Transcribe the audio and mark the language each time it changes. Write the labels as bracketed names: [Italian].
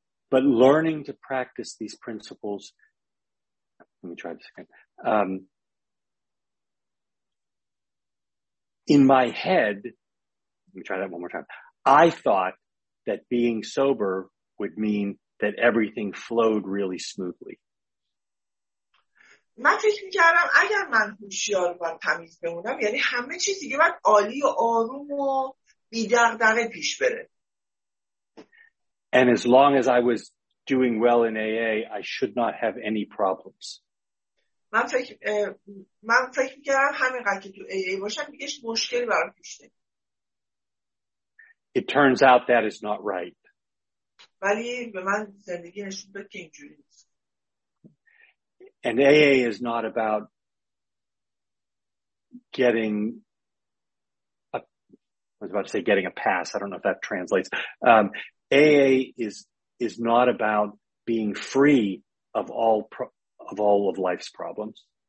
[English] But learning to practice these principles, let me try this again. In my head, let me try that one more time. I thought that being sober would mean that everything flowed really smoothly. [Persian] من فکر میکردم اگر من هوشیار و تمیز بمونم یعنی همه چیز دیگه باید عالی و آروم و بی‌دغدغه پیش بره. [English] And as long as I was doing well in AA, I should not have any problems. [Persian] من فکر میکردم همینقدر که تو AA باشم دیگه مشکلی برام پیش نمیاد. [English] It turns out that is not right. [Persian] ولی به من زندگی نشون داد که اینجوری نیست. [English] And AA is not about getting a, I was about to say getting a pass. I don't know if that translates. AA is not about being free of all of life's problems.